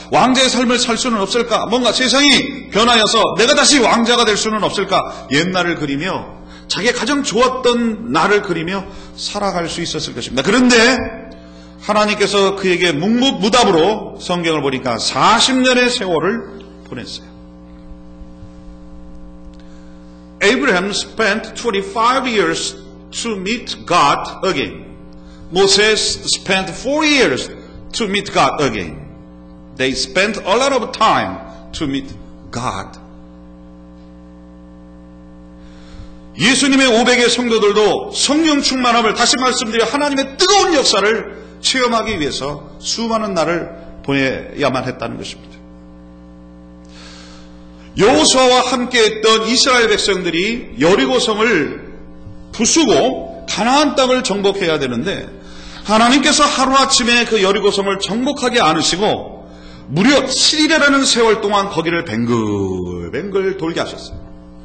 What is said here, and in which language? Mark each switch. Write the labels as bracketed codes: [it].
[ko] 왕자의 삶을 살 수는 없을까? 뭔가 세상이 변하여서 내가 다시 왕자가 될 수는 없을까? 옛날을 그리며 자기 가장 좋았던 나를 그리며 살아갈 수 있었을 것입니다. 그런데 하나님께서 그에게 묵묵무답으로 성경을 보니까 40년의 세월을 보냈어요. [en] Abraham spent 25 years to meet God again. Moses spent 40 years to meet God again. They spent a lot of time to meet God. [ko] 예수님의 500의 성도들도 성령 충만함을 다시 말씀드려 하나님의 뜨거운 역사를 체험하기 위해서 수많은 날을 보내야만 했다는 것입니다. 여호수아와 함께했던 이스라엘 백성들이 여리고성을 부수고 가나안 땅을 정복해야 되는데 하나님께서 하루아침에 그 여리고성을 정복하게 안으시고 무려 7일이라는 세월 동안 거기를 뱅글뱅글 돌게 하셨어요.